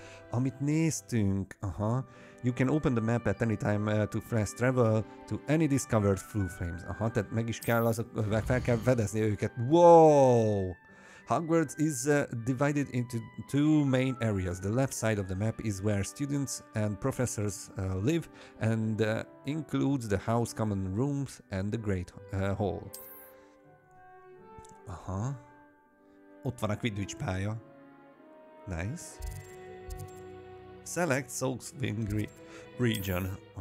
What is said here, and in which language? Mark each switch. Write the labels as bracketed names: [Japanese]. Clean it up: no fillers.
[Hungarian] Amit néztünk. [English] You can open the map at any time to fast travel to any discovered flu flames. [Hungarian] Tehát meg is kell fel kell fedezni őket. [English] Wow! Hogwarts is divided into two main areas. The left side of the map is where students and professors live and includes the house, common rooms and the great hall. [Hungarian] Ott van a Quidditch pálya. [English] Nice. Select Slughorn region.